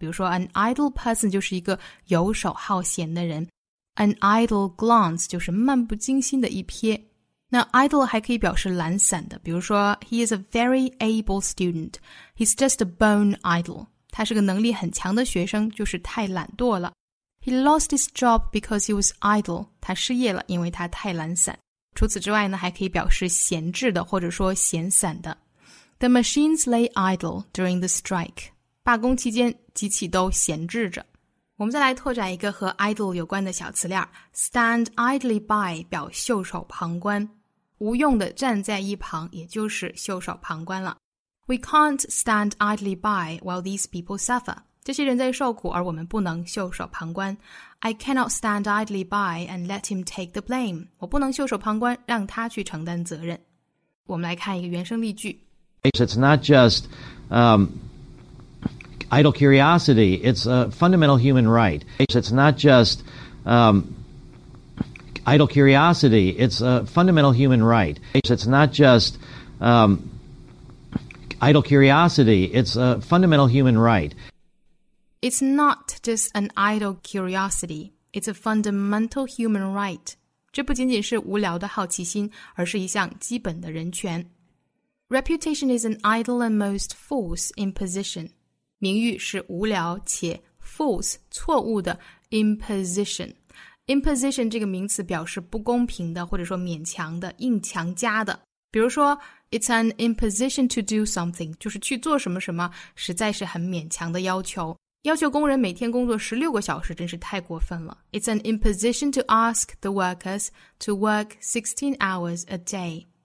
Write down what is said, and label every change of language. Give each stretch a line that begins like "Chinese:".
Chinese: 比如说
English: an idle person
Chinese: 就是一个游手好闲的人，
English: an idle glance
Chinese: 就是漫不经心的一瞥。那 idle 还可以表示懒散的，比如说
English: He is a very able student. He's just a bone idle.
Chinese: 他是个能力很强的学生，就是太懒惰了。
English: He lost his job because he was idle.
Chinese: 他失业了，因为他太懒散。除此之外呢，还可以表示闲置的，或者说闲散的。
English: The machines lay idle during the strike.
Chinese: 罢工期间，机器都闲置着。我们再来拓展一个和 idle 有关的小词链，
English: stand idly by
Chinese: 表袖手旁观，无用的站在一旁，也就是袖手旁观了。
English: We can't stand idly by while these people suffer.
Chinese: 这些人在受苦，而我们不能袖手旁观。
English: I cannot stand idly by and let him take the blame.
Chinese: 我不能袖手旁观，让他去承担责任。我们来看一个原声例句。
English: It's not just idle curiosity, it's a fundamental human right. It's not just Idle curiosity, it's a fundamental human right. It's not just an idle curiosity. It's a fundamental human right.
Chinese: 这不仅仅是无聊的好奇心，而是一项基本的人权。
English: Reputation is an idle and most false imposition.
Chinese: 名誉是无聊且 false 错误的 imposition。 Imposition 这个名词表示不公平的，或者说勉强的、硬强加的。比如说 ，
English: It's an imposition to do something，
Chinese: 就是去做什么什么，实在是很勉强的要求。要求工人每天工作16个小时，真是太过分了。
English: It's an imposition to ask the workers to work 16 hours a day.